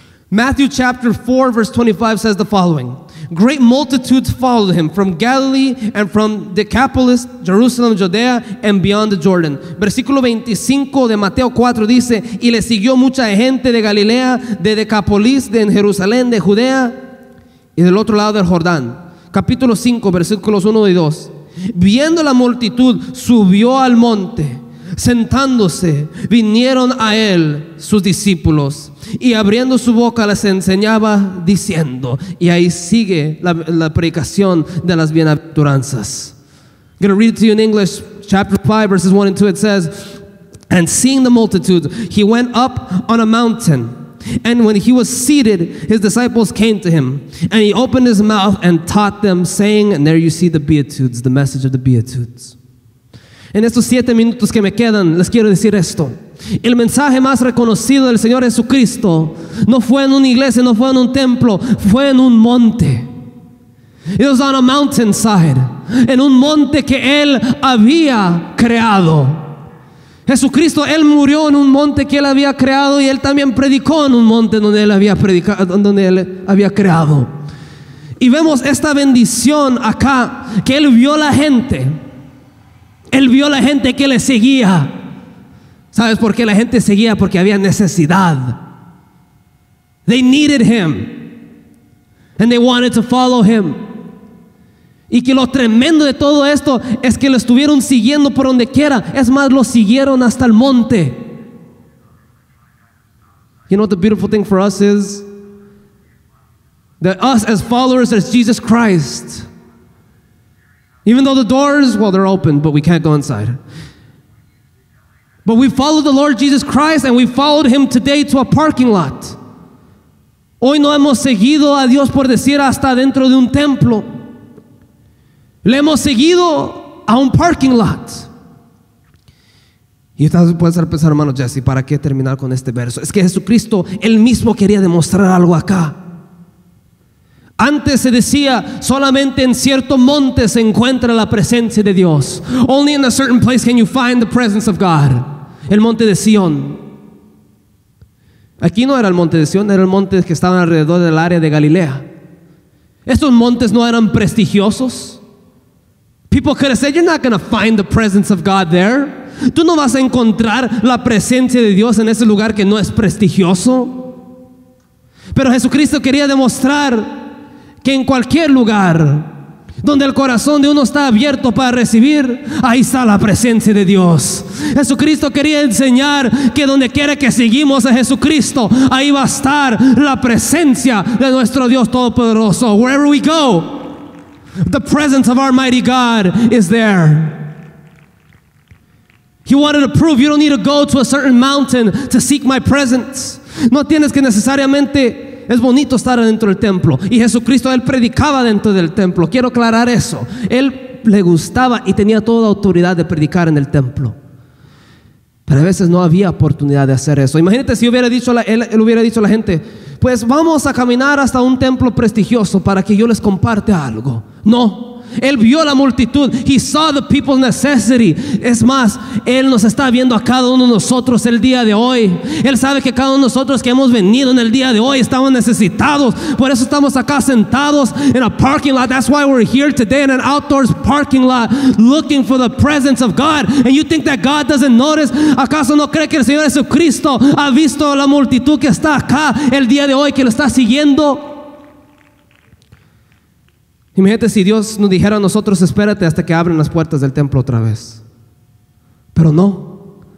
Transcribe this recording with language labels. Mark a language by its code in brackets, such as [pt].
[en] Matthew chapter 4 verse 25 says the following: great multitudes followed him from Galilee and from Decapolis, Jerusalem, Judea, and beyond the Jordan. [es] Versículo 25 de Mateo 4 dice: y le siguió mucha gente de Galilea, de Decapolis, de Jerusalén, de Judea, y del otro lado del Jordán. Capítulo 5, versículos 1 y 2. Viendo la multitud, subió al monte. Sentándose, vinieron a él sus discípulos. Y abriendo su boca, les enseñaba diciendo. Y ahí sigue la predicación de las bienaventuranzas. [en] I'm going to read it to you in English chapter 5, verses 1 and 2, it says, "And seeing the multitude, he went up on a mountain. And when he was seated, his disciples came to him. And he opened his mouth and taught them, saying," and there you see the Beatitudes, the message of the Beatitudes. [es] En estos 7 minutos que me quedan, les quiero decir esto. El mensaje más reconocido del Señor Jesucristo no fue en una iglesia, no fue en un templo, fue en un monte. [en] It was on a mountainside, [es] en un monte que Él había creado. Jesucristo, Él murió en un monte que Él había creado, y Él también predicó en un monte donde Él había predicado, donde Él había creado. Y vemos esta bendición acá, que Él vio a la gente. Él vio a la gente que le seguía. ¿Sabes por qué la gente seguía? Porque había necesidad. [en] They needed him. And they wanted to follow him. [es] Y que lo tremendo de todo esto es que lo estuvieron siguiendo por donde quiera. Es más, lo siguieron hasta el monte. [en] You know what the beautiful thing for us is? That us as followers as Jesus Christ, even though the doors, well, they're open, but we can't go inside. But we followed the Lord Jesus Christ, and we followed him today to a parking lot. [es] Hoy no hemos seguido a Dios, por decir, hasta dentro de un templo. Le hemos seguido a un parking lot. Y ustedes pueden hacer pensar, hermano Jesse, ¿para qué terminar con este verso? Es que Jesucristo, Él mismo quería demostrar algo acá. Antes se decía, solamente en cierto monte se encuentra la presencia de Dios. [en] Only in a certain place can you find the presence of God. [es] El monte de Sion. Aquí no era el monte de Sion, era el monte que estaba alrededor del área de Galilea. Estos montes no eran prestigiosos. [en] People could have said, you're not going to find the presence of God there. [es] Tú no vas a encontrar la presencia de Dios en ese lugar que no es prestigioso. Pero Jesucristo quería demostrar que en cualquier lugar donde el corazón de uno está abierto para recibir, ahí está la presencia de Dios. Jesucristo quería enseñar que donde quiera que seguimos a Jesucristo, ahí va a estar la presencia de nuestro Dios Todopoderoso. [en] Wherever we go, the presence of our mighty God is there. He wanted to prove you don't need to go to a certain mountain to seek my presence. [es] No tienes que necesariamente... Es bonito estar dentro del templo. Y Jesucristo, Él predicaba dentro del templo. Quiero aclarar eso. Él le gustaba y tenía toda autoridad de predicar en el templo. Pero a veces no había oportunidad de hacer eso. Imagínate si hubiera dicho él hubiera dicho a la gente, pues vamos a caminar hasta un templo prestigioso para que yo les comparte algo. No. Él vio la multitud. [en] He saw the people's necessity. [es] Es más, Él nos está viendo a cada uno de nosotros el día de hoy. Él sabe que cada uno de nosotros que hemos venido en el día de hoy estamos necesitados. Por eso estamos acá sentados [en] in a parking lot. That's why we're here today in an outdoors parking lot looking for the presence of God. And you think that God doesn't notice? [es] ¿Acaso no cree que el Señor Jesucristo ha visto la multitud que está acá el día de hoy, que lo está siguiendo? Imagínate si Dios nos dijera a nosotros, espérate hasta que abren las puertas del templo otra vez. Pero no.